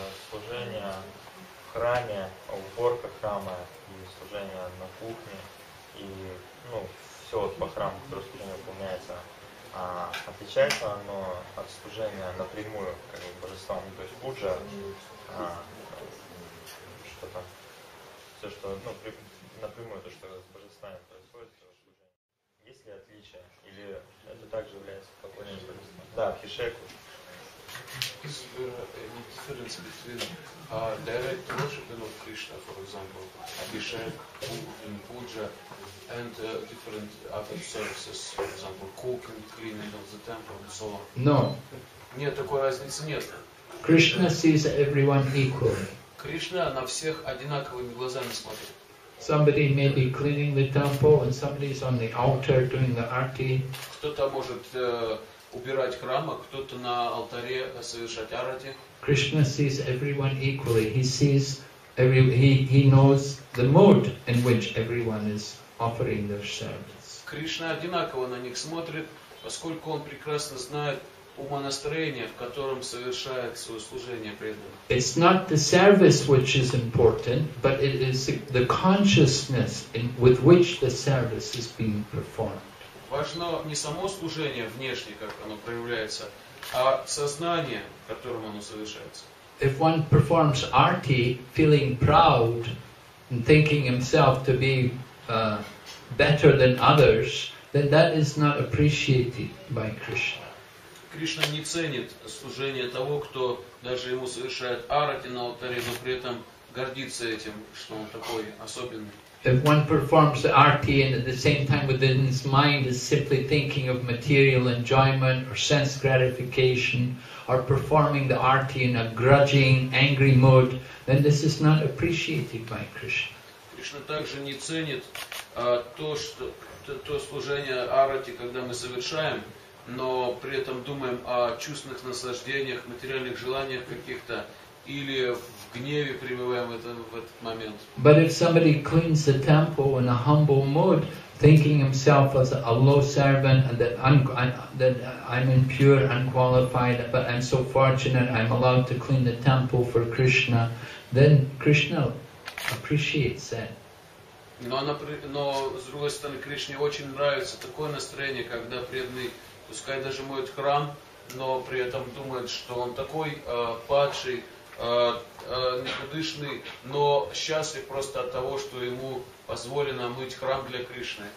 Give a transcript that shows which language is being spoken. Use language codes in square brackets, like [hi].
[ru] Служение в храме, уборка храма и служение на кухне и все вот по храму, которое служение выполняется, отличается оно от служения напрямую, как бы божествам, то есть пуджа, что-то, все что, напрямую то, что с божествами происходит, есть ли отличие, или это также является поклонением божествам? Да, Абхишеку. [en] Is there any difference between direct worship of Krishna, for example, Abhishek, and Puja, and different other services, for example, cooking, cleaning of the temple, and so on? No. [ru] Нет такой разницы, нет. [en] Krishna sees everyone equally. [ru] Krishna на всех одинаковыми глазами смотрит. [en] Somebody may be cleaning the temple, and somebody is on the altar doing the arti. [ru] Кто-то может убирать храм, а кто-то на алтаре совершать арати. [en] Krishna sees everyone equally. He sees every he knows the mood in which everyone is offering their service. [ru] Krishna одинаково на них смотрит, поскольку он прекрасно знает умонастроение, в котором совершает свое служение преданное. [en] It's not the service which is important, but it is the consciousness in, with which the service is being performed. [ru] Важно не само служение внешне, как оно проявляется, а сознание, в котором оно совершается. [en] If one performs arti feeling proud and thinking himself to be better than others, then that is not appreciated by Krishna. [ru] Кришна не ценит служение того, кто даже ему совершает арати на алтаре, но при этом гордится этим, что он такой особенный. [en] If one performs the arti and at the same time within his mind is simply thinking of material enjoyment or sense gratification, or performing the arti in a grudging, angry mood, then this is not appreciated by Krishna. [ru] Krishna также не ценит то служение арати, когда мы совершаем, но при этом думаем о чувственных наслаждениях, материальных желаниях каких-то, или в гневе пребываем в этот момент. [en] But if somebody cleans the temple in a humble mood, thinking himself as a low servant and that I'm impure, unqualified, but I'm so fortunate I'm allowed to clean the temple for Krishna, then Krishna appreciates that. [ru] Но с другой стороны, Кришне очень нравится такое настроение, когда преданный, пускай даже моет храм, но при этом думает, что он такой падший, никудышный, но счастлив просто от того, что ему позволено мыть храм для Кришны.